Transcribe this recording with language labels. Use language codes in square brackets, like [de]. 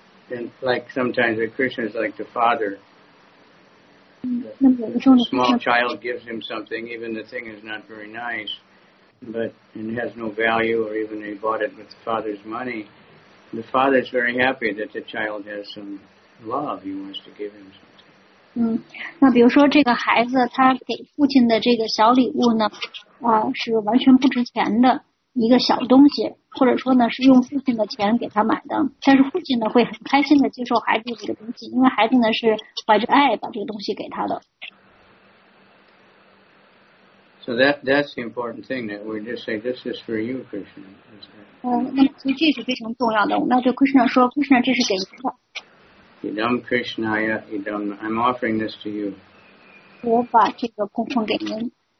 [en] And like sometimes Krishna is like the father. A small child gives him something, even the thing is not very nice, but it has no value, or even he bought it with the father's money. The father is very happy that the child has some love. He wants to give him something. [zh] 那比如说这个孩子他给父亲的这个小礼物呢，是完全不值钱的一个小东西，或者说呢是用父亲的钱给他买的，但是父亲呢会很开心的接受孩子这个东西，因为孩子呢是怀着爱把这个东西给他的。 [en] So that's the important thing that we just say this is for you, Krishna. [zh] 所以这是非常重要的。那就 Krishna 说 ，Krishna 这是给你的。 [sa] Idam Krishnaya idam, [en] I'm offering this to you. [zh] 我把这个供奉给您。